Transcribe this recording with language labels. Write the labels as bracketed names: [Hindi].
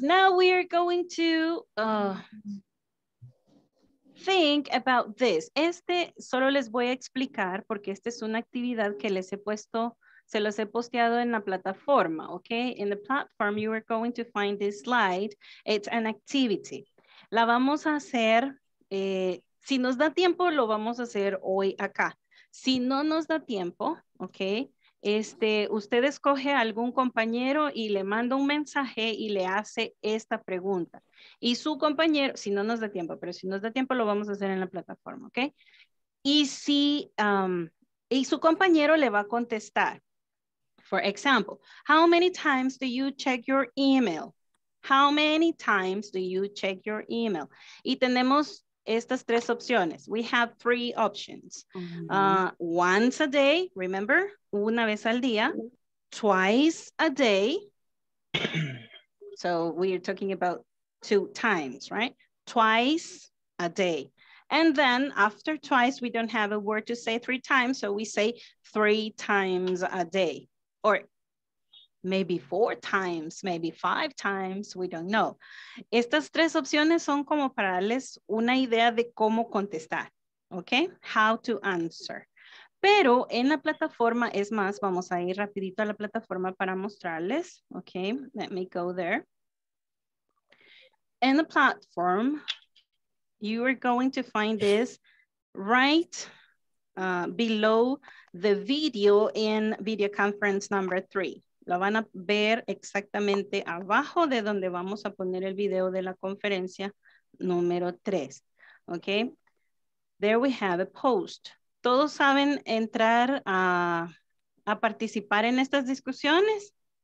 [English] Now we are going to think about this. [Spanish] Este solo les voy a explicar porque esta es una actividad que les he puesto, se los he posteado en la plataforma, okay? [English] In the platform, you are going to find this slide. It's an activity. [Spanish] La vamos a hacer, si nos da tiempo, lo vamos a hacer hoy acá. Si no nos da tiempo, okay? Usted escoge a algún compañero y le manda un mensaje y le hace esta pregunta. Y su compañero, si no nos da tiempo, pero si nos da tiempo lo vamos a hacer en la plataforma, ¿ok? Y si, y su compañero le va a contestar. [English] For example, how many times do you check your email? How many times do you check your email? [Spanish] Y tenemos estas tres opciones. [English] We have three options. Once a day, remember? [Spanish] Una vez al día. [English] Twice a day. So we are talking about two times, right? Twice a day. And then after twice, we don't have a word to say three times. So we say three times a day. Or maybe four times, maybe five times, we don't know. [Spanish] Estas tres opciones son como para darles una idea de cómo contestar, okay? [English] How to answer. [Spanish] Pero en la plataforma, es más, vamos a ir rapidito a la plataforma para mostrarles, okay? [English] Let me go there. In the platform, you are going to find this right below the video in video conference number 3. [Spanish] Lo van a ver exactamente abajo de donde vamos a poner el video de la conferencia número 3. Okay. [English] There we have a post. [Spanish] ¿Todos saben entrar a participar en estas discusiones?